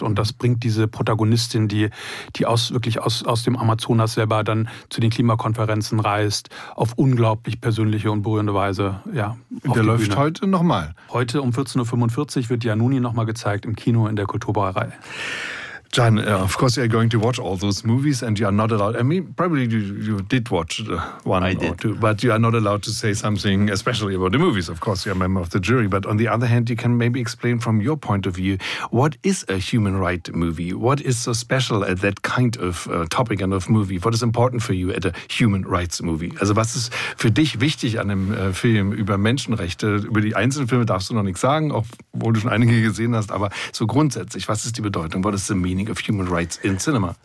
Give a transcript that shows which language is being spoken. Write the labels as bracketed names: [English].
[German] Und das bringt diese Protagonistin, die aus dem Amazonas selber dann zu den Klimakonferenzen reist, auf unglaublich persönliche und berührende Weise. Ja, der läuft Bühne. Heute nochmal. Heute um 14.45 Uhr wird Januni nochmal gezeigt im Kino in der Kulturbrauerei. [English] John, of course you are going to watch all those movies and you are not allowed, I mean, probably you did watch the one I did. Or two, but you are not allowed to say something especially about the movies. Of course, you are a member of the jury, but on the other hand, you can maybe explain from your point of view, what is a human right movie? What is so special at that kind of topic and of movie? What is important for you at a human rights movie? [German] Also was ist für dich wichtig an einem Film über Menschenrechte? Über die einzelnen Filme darfst du noch nichts sagen, obwohl du schon einige gesehen hast, aber so grundsätzlich, was ist die Bedeutung? [English] What is the meaning of human rights in cinema?